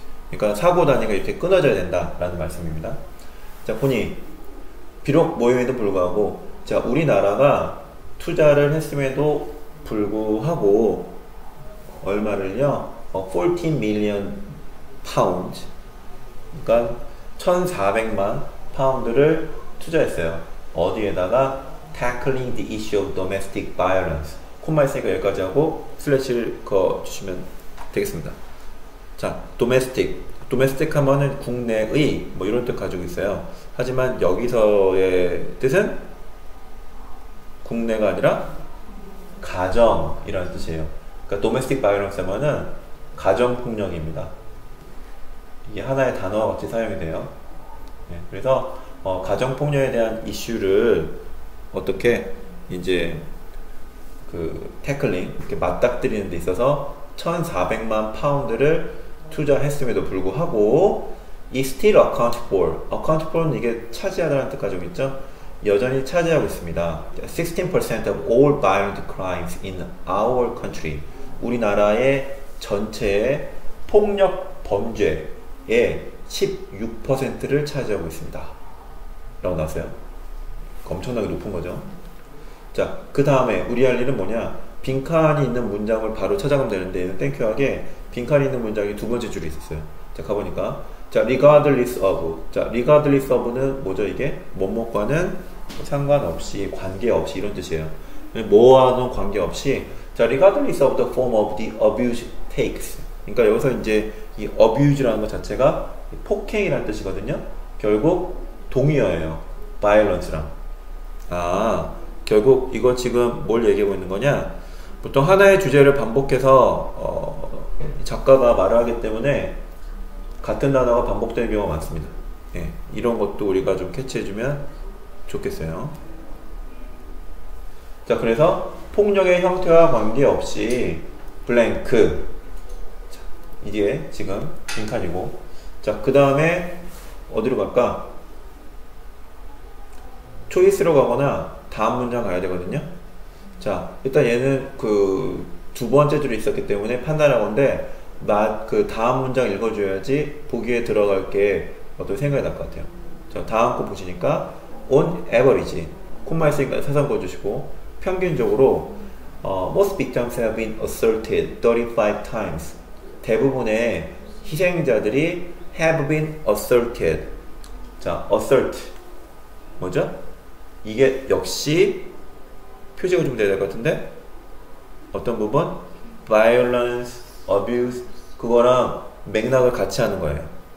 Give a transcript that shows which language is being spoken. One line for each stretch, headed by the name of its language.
Korean: 그러니까 사고 단위가 이렇게 끊어져야 된다라는 말씀입니다. 자, 보니 비록 모임에도 불구하고 자, 우리나라가 투자를 했음에도 불구하고 얼마를요?
English: 14 million pounds.
Korean: 그러니까 1,400만 파운드를 투자했어요. 어디에다가
English: tackling the issue of domestic violence.
Korean: 콤마 있으니까 여기까지 하고 슬래시를 그어 주시면 되겠습니다. 자, domestic 하면은 국내의 뭐 이런 뜻 가지고 있어요. 하지만 여기서의 뜻은 국내가 아니라 가정이라는 뜻이에요. 그러니까 domestic violence 하면은 가정폭력입니다. 이게 하나의 단어와 같이 사용이 돼요. 네, 그래서 가정폭력에 대한 이슈를 어떻게 이제 그 태클링 이렇게 맞닥뜨리는 데 있어서 1,400만 파운드를 투자했음에도 불구하고 이
English: still account for,
Korean: account for는 이게 차지하다는 뜻 가지고 있죠? 여전히 차지하고 있습니다.
English: 16% of all violent crimes in our country.
Korean: 우리나라의 전체의 폭력 범죄의 16%를 차지하고 있습니다. 라고 나왔어요. 엄청나게 높은 거죠. 자, 그 다음에 우리 할 일은 뭐냐? 빈칸이 있는 문장을 바로 찾아가면 되는데, 땡큐하게 빈칸이 있는 문장이 두 번째 줄이 있었어요. 자, 가보니까. 자, regardless of. 자, regardless of는 뭐죠, 이게? 뭐뭐과는 상관없이, 관계없이 이런 뜻이에요. 뭐와는 관계없이.
English: 자, regardless of the form of the abuse takes.
Korean: 그러니까 여기서 이제 이 abuse라는 것 자체가 폭행이라는 뜻이거든요. 결국 동의어예요. violence랑. 아, 결국 이거 지금 뭘 얘기하고 있는 거냐? 보통 하나의 주제를 반복해서 작가가 말을 하기 때문에 같은 단어가 반복되는 경우가 많습니다. 예, 이런 것도 우리가 좀 캐치해주면 좋겠어요. 자, 그래서 폭력의 형태와 관계없이 블랭크. 자, 이게 지금 빈칸이고. 자, 그 다음에 어디로 갈까? 초이스로 가거나 다음 문장 가야 되거든요. 자, 일단 얘는 그두 번째 줄이 있었기 때문에 판단하건데 그 다음 문장 읽어줘야지 보기에 들어갈 게 어떤 생각이 날것 같아요. 자, 다음 거 보시니까
English: on average,
Korean: 콤마 있으니까 사선 그어주시고 평균적으로
English: most victims have been assaulted 35 times.
Korean: 대부분의 희생자들이
English: have been assaulted.
Korean: 자, assault 뭐죠? 이게 역시 표시가 좀 돼야 될것 같은데 어떤 부분? violence, abuse 그거랑 맥락을 같이 하는 거예요.